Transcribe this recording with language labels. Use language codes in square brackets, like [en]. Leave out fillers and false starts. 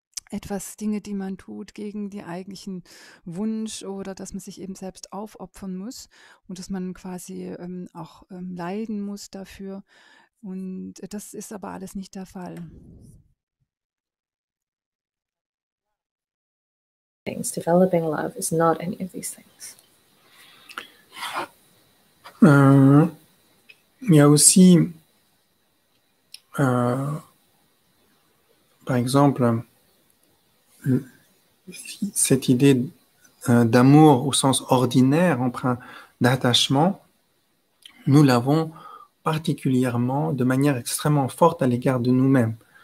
[de] Etwas, Dinge, die man tut gegen den eigentlichen Wunsch oder dass man sich eben selbst aufopfern muss und dass man quasi auch leiden muss dafür. Und das ist aber alles nicht der Fall. [en] Things. Developing love is not any of these things. [fr] Il y a aussi, par exemple, cette idée d'amour au sens ordinaire, emprunt d'attachement, nous l'avons particulièrement, de manière extrêmement forte à l'égard de nous-mêmes.